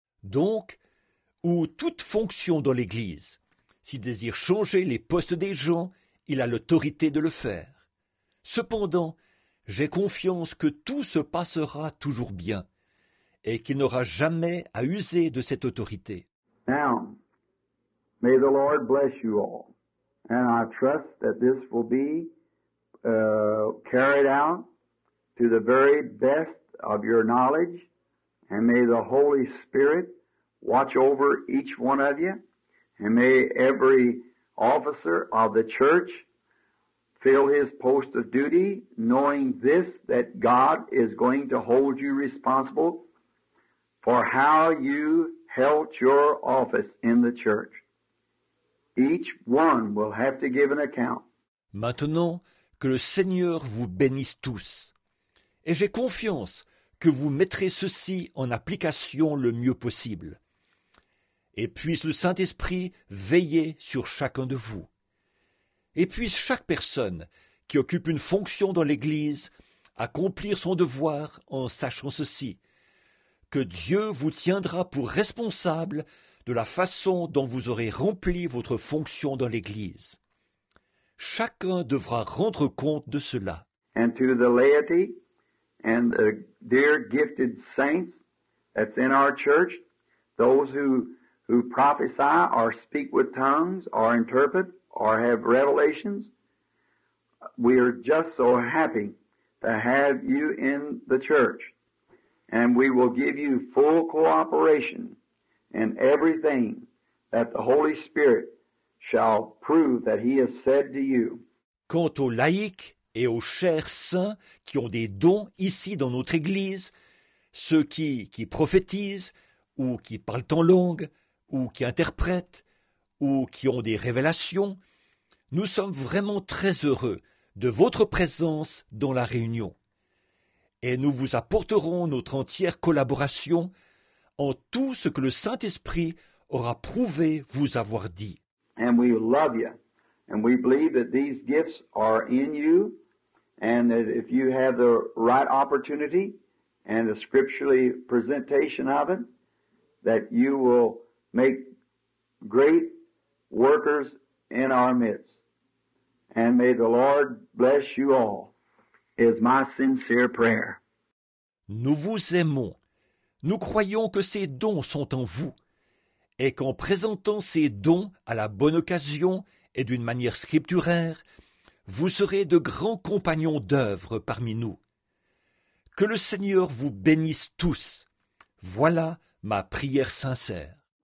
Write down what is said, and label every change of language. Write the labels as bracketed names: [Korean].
[French] Donc, ou toute fonction dans l'Église, s'il désire changer les postes des gens, il a l'autorité de le faire. Cependant, j'ai confiance que tout se passera toujours bien et qu'il n'aura jamais à user de cette autorité. [English] Now, may the Lord bless you all. And I trust that this will be carried out to the very best of your knowledge. And may the Holy Spirit watch over each one of you. And may every officer of the church fill his post of duty, knowing this, that God is going to hold you responsible for how you held your office in the church. Each one will have to give an account. [French] Maintenant, que le Seigneur vous bénisse tous. Et j'ai confiance que vous mettrez ceci en application le mieux possible. Et puisse le Saint-Esprit veiller sur chacun de vous. Et puisse chaque personne qui occupe une fonction dans l'Église accomplir son devoir en sachant ceci, que Dieu vous tiendra pour responsable de la façon dont vous aurez rempli votre fonction dans l'Église. Chacun devra rendre compte de cela. [English] And to the laity and the dear gifted saints that's in our church, those who prophesy or speak with tongues or interpret or have revelations, we are just so happy to have you in the church. And we will give you full cooperation in everything that the Holy Spirit shall prove that he has said to you. [French] Quant aux laïcs et aux chers saints qui ont des dons ici dans notre Église, ceux qui prophétisent ou qui parlent en langue, ou qui interprètent, ou qui ont des révélations. Nous sommes vraiment très heureux de votre présence dans la réunion. Et nous vous apporterons notre entière collaboration en tout ce que le Saint-Esprit aura prouvé vous avoir dit. [English] And we love you. And we believe that these gifts are in you, and that if you have the right opportunity and the scripturally presentation of it, that you will make great workers in our midst. And may the Lord bless you all, is my sincere prayer. [French] Nous vous aimons. Nous croyons que ces dons sont en vous, et qu'en présentant ces dons à la bonne occasion et d'une manière scripturaire, vous serez de grands compagnons d'œuvre parmi nous. Que le Seigneur vous bénisse tous. Voilà ma prière sincère.